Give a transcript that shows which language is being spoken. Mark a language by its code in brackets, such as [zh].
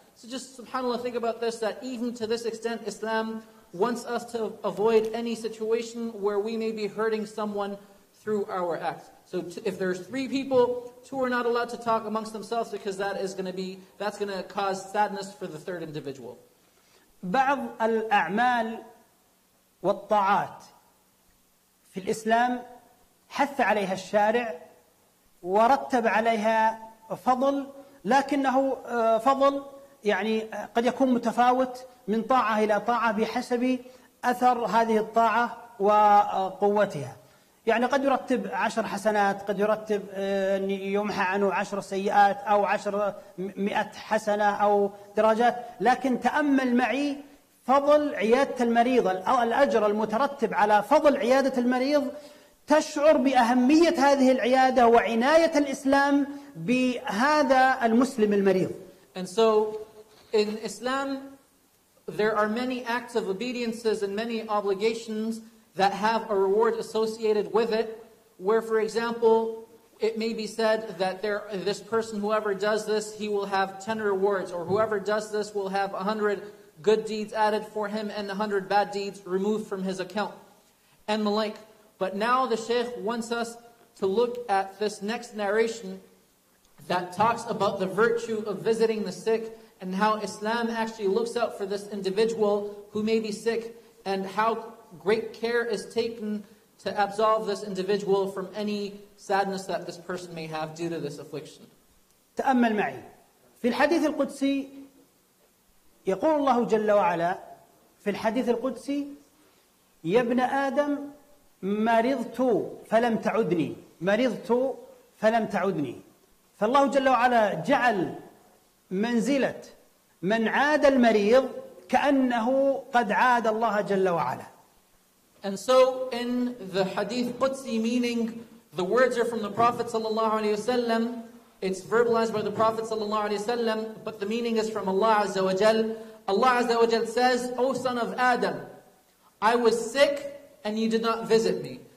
[en] So just subhanAllah, think about this, that even to this extent, Islam wants us to avoid any situation where we may be hurting someone through our acts. So if there's three people, two are not allowed to talk amongst themselves, because that's going to cause sadness for the third individual. [ar] بعض الأعمال والطاعات في الإسلام حث عليها الشارع ورتب عليها فضل، لكنه فضل يعني قد يكون متفاوت من طاعة إلى طاعة بحسب أثر هذه الطاعة وقوتها. يعني قد يرتب 10 حسنات، قد يرتب أن يمحى عنه 10 سيئات أو 100 حسنة أو درجات، لكن تأمل معي فضل عيادة المريض، الأجر المترتب على فضل عيادة المريض، تشعر بأهمية هذه العيادة وعناية الإسلام بهذا المسلم المريض. [en] And so in Islam there are many acts of obediences and many obligations that have a reward associated with it, where for example it may be said that this person, whoever does this, he will have 10 rewards, or whoever does this will have 100 good deeds added for him and 100 bad deeds removed from his account and the like. But now the Shaykh wants us to look at this next narration that talks about the virtue of visiting the sick and how Islam actually looks out for this individual who may be sick and how great care is taken to absolve this individual from any sadness that this person may have due to this affliction. [ar] تأمل معي في الحديث القدسي، يقول الله جل وعلا في الحديث القدسي: يا ابن آدم مرضت فلم تعدني، مرضت فلم تعدني. فالله جل وعلا جعل منزلة من عاد المريض كأنه قد عاد الله جل وعلا. [en] And so in the hadith Qudsi, meaning the words are from the Prophet [ar] sallallahu alaihi wasallam, [en] it's verbalized by the Prophet sallallahu alaihi wasallam, but the meaning is from Allah [ar] azza wa jal. [en] Allah [ar] azza wa jal [en] says, O son of Adam, I was sick and you did not visit me.